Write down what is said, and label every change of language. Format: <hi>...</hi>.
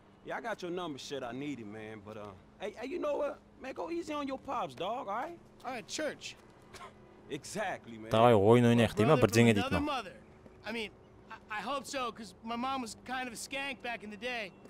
<en>Yeah, I got your number, shit, I need it, man. But, hey, you know what? Man, go easy on your pops, dog, all right? All right, church. Exactly, man.</en> <kk>Давай, ойын ойнайық, дейме, бірдеңе дейтін.</kk> <en>I mean, I hope so, because my mom was kind of a skank back in the day.</en>